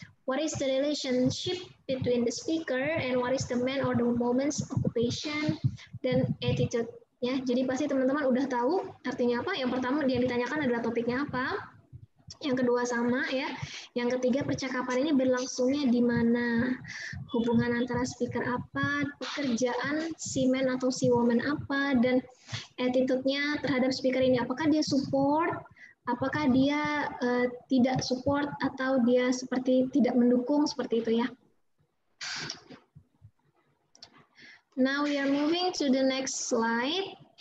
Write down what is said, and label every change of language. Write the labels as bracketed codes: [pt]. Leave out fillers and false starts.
[en] What is the relationship between the speaker and what is the man or the woman's occupation dan attitude? [id] Ya, jadi pasti teman-teman udah tahu artinya apa. Yang pertama dia ditanyakan adalah topiknya apa. Yang kedua sama ya. Yang ketiga percakapan ini berlangsungnya di mana. Hubungan antara speaker apa, pekerjaan si man atau si woman apa, dan attitude-nya terhadap speaker ini. Apakah dia support? Apakah dia tidak support atau dia seperti tidak mendukung seperti itu ya. [en] Now we are moving to the next slide.